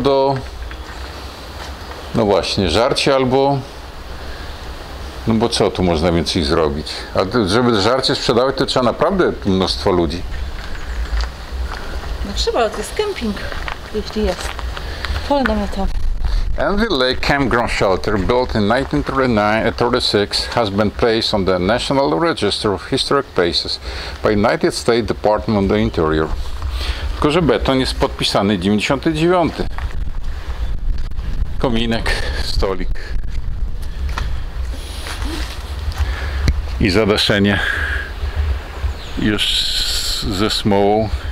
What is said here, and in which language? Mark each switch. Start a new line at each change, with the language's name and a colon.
Polish: Do, no właśnie, żarcie albo, no bo co tu można więcej zrobić? A żeby żarcie sprzedawać, to trzeba naprawdę mnóstwo ludzi. No trzeba, to jest kemping, jeśli jest. Pole namiotowe.
English: Anvil Lake Campground Shelter, built in 1936, has been placed on the National Register of Historic Places by United States Department of the Interior.
Polish: Tylko, że beton jest podpisany 99. Kominek, stolik i zadaszenie już ze smołą.